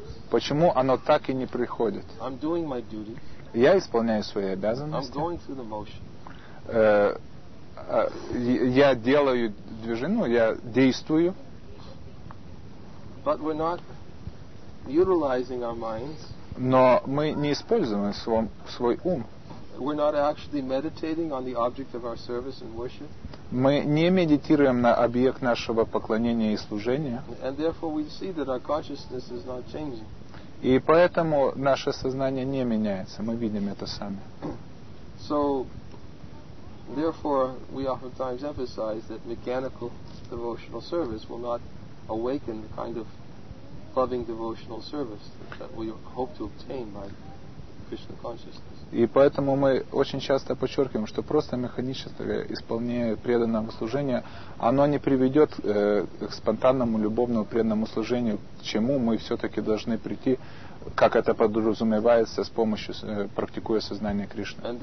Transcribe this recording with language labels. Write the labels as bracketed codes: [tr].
[ru] Почему оно так и не приходит? Я исполняю свои обязанности. Я делаю движение, ну, я действую. [en] But we're not utilizing our minds. [ru] Но мы не используем свой ум. [en] We're not actually meditating on the object of our service and worship. [ru] Мы не медитируем на объект нашего поклонения и служения. [en] And therefore we see that our consciousness is not changing. [ru] И поэтому наше сознание не меняется. Мы видим это сами. [en] So therefore we oftentimes emphasize that mechanical devotional service will not awaken the kind of loving devotional service that we hope to obtain by Krishna consciousness. [ru] И поэтому мы очень часто подчеркиваем, что просто механическое исполнение преданного служения, оно не приведет к спонтанному любовному преданному служению, к чему мы все-таки должны прийти, как это подразумевается, с помощью практикуя сознание Кришны.